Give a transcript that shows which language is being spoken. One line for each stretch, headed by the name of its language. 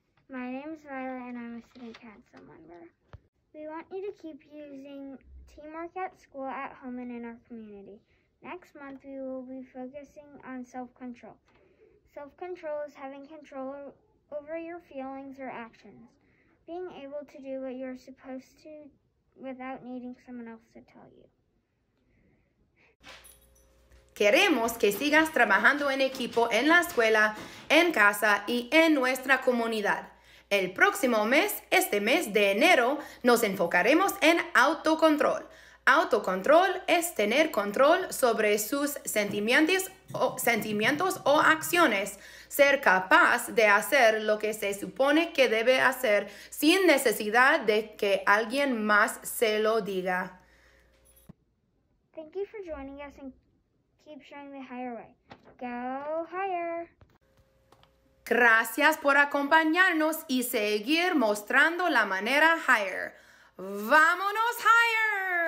English: My name is Violet and I'm a student council member. We want you to keep using teamwork at school, at home, and in our community. Next month, we will be focusing on self-control. Self-control is having control over your feelings or actions, being able to do what you're supposed to without needing someone else to tell you.
Spanish: Queremos que sigas trabajando en equipo en la escuela, en casa y en nuestra comunidad. El próximo mes, este mes de enero, nos enfocaremos en autocontrol. Autocontrol es tener control sobre sus sentimientos o acciones, ser capaz de hacer lo que se supone que debe hacer sin necesidad de que alguien más se lo diga.
English: Thank you for joining us and keep showing the higher way. Go higher!
Spanish: Gracias por acompañarnos y seguir mostrando la manera higher. ¡Vámonos higher!